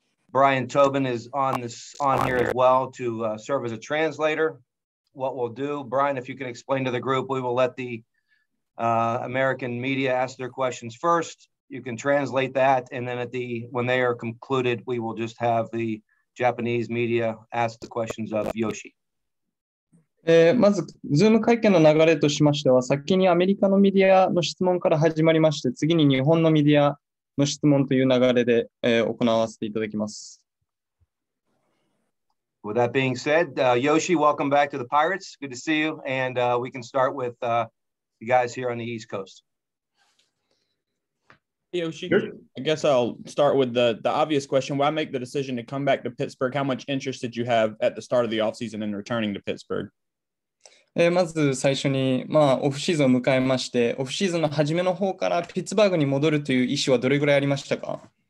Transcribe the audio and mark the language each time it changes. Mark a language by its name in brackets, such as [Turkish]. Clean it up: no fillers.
[English] Brian Tobin is on here as well to serve as a translator. What we'll do, Brian, if you can explain to the group, we will let the American media ask their questions first. You can translate that, and then when they are concluded, we will just have the Japanese media ask the questions of Yoshi. [Japanese] まず、Zoom 会見の流れとしましては、先にアメリカのメディアの質問から始まりまして、次に日本のメディアの質問という流れで、行わせていただきます。 [English] With that being said,、Yoshi, welcome back to the Pirates. Good to see you. And、we can start with、the guys here on the East Coast. Hey, Yoshi,、sure. I guess I'll start with the obvious question. Why make the decision to come back to Pittsburgh? How much interest did you have at the start of the offseason in returning to Pittsburgh? [Japanese] まず最初に、まあ、オフシーズンを迎えまして、オフシーズンの初めの方からピッツバーグに戻るという意思はどれぐらいありましたか？